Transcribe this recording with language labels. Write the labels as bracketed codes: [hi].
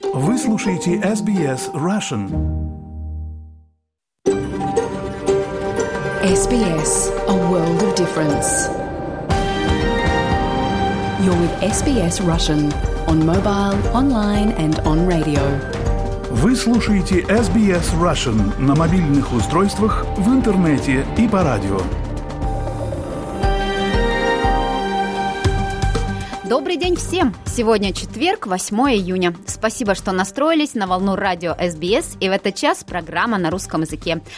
[ru] Вы слушаете SBS Russian. [en] SBS, a world of difference. You're with SBS Russian on mobile, online and on radio. [ru] Вы слушаете SBS Russian на мобильных устройствах, в интернете и по радио. Добрый день всем! Сегодня четверг, 8 июня. Спасибо, что настроились на волну радио SBS, и в этот час программа на русском языке.